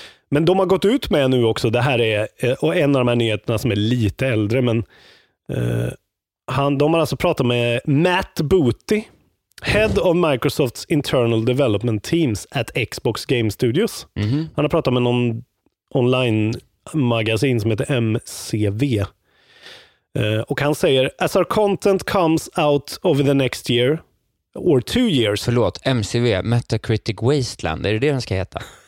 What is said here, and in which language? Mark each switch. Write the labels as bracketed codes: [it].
[sv] Men de har gått ut med nu också, det här är och en av de här nyheterna som är lite äldre, men de har alltså pratat med Matt Booty, [en] head of Microsofts internal development teams at Xbox Game Studios. Mm-hmm. [sv] Han har pratat med någon online magasin som heter MCV. Och han säger, [en] as our content comes out over the next year, or 2 years. [sv] Förlåt, MCV, Metacritic Wasteland, är det det den ska heta?